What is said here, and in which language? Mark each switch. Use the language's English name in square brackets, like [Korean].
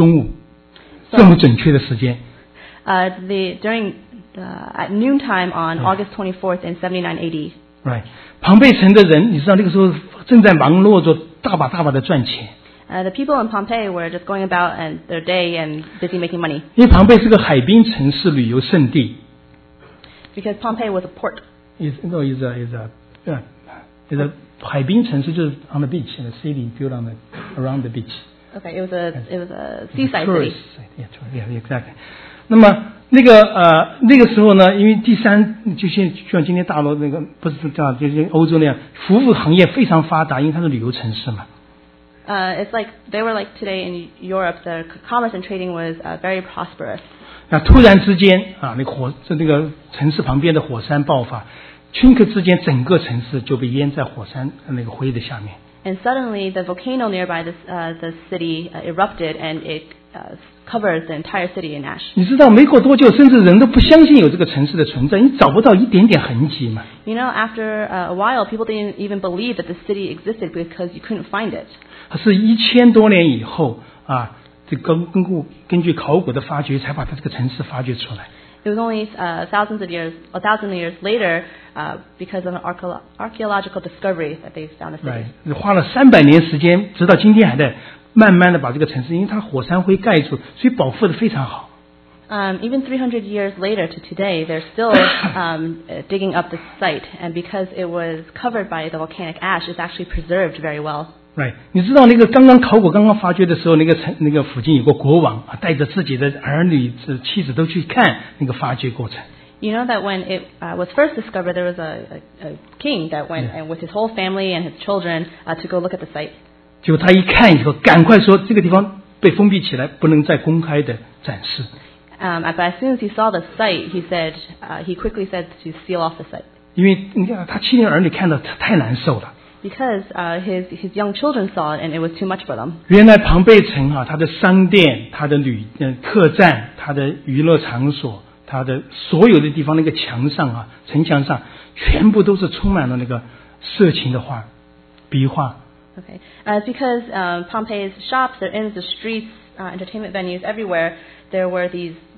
[Chinese] 这个城市哈，当时我看哈，它是在公元79年8月24号的中午，这么准确的时间。 [English] At noontime on August 24th in 79 AD. Right, [Chinese] 庞贝城的人，你知道那个时候正在忙碌着，大把大把的赚钱。 [English] The people in Pompeii were just going about and their day and busy making money. [Chinese] 因为庞贝是个海滨城市，旅游胜地。 [English] Because Pompeii was a port. It's a [Chinese] 海滨城市, 就是 [English] on the beach, and a city built on the, around the beach. Okay, it was a seaside tourist city. Yeah, exactly. [Chinese] 那么那个时候呢, 因为第三, 就像今天大陆那个, 不是这样, 就像欧洲那样, 服务行业非常发达, 因为它是旅游城市嘛。 [English] It's like they were like today in Europe, the commerce and trading was very prosperous. [Chinese] 那突然之间,那个城市旁边的火山爆发, 顷刻之间整个城市就被淹在火山那个灰的下面。 [English] And suddenly the volcano nearby the city erupted and it covered the entire city in ash. [Chinese] 你知道没过多久, 甚至人都不相信有这个城市的存在, 你找不到一点点痕迹嘛。 [English] You know, after a while, people didn't even believe that the city existed because you couldn't find it. [Chinese] 是1000多年以后, 啊, 根据考古的发掘, 才把这个城市发掘出来。 [English] It was only a thousand years later, because of an archaeological discovery that they found the city. Right. [Chinese] 花了300年时间, 直到今天还在慢慢地把这个城市, 因为它火山灰盖住, 所以保护得非常好。 [English] Even 300 years later to today, they're still digging up the site, and because it was covered by the volcanic ash, it's actually preserved very well. Right. [Chinese] 你知道那个刚刚考古刚刚发掘的时候, 那个附近有个国王, 带着自己的儿女妻子都去看那个发掘过程。 [English] You know that when it was first discovered, there was a king that went and with his whole family and his children to go look at the site. [Chinese] 结果他一看以后, 赶快说, 这个地方被封闭起来, 不能再公开地展示。 [English] But as soon as he saw the site, he said, he quickly said to seal off the site. [Chinese] 因为他七年儿女看到太难受了。 [English] Because his young children saw it and it was too much for them. [Chinese] 原来庞贝城啊, 它的商店, 它的旅, 客栈, 它的娱乐场所, 它的所有的地方, 那个墙上啊, 城墙上, 全部都是充满了那个色情的画, 壁画。 [English] Okay. It's because Pompeii's shops, their inns, the streets, entertainment venues, everywhere, there were these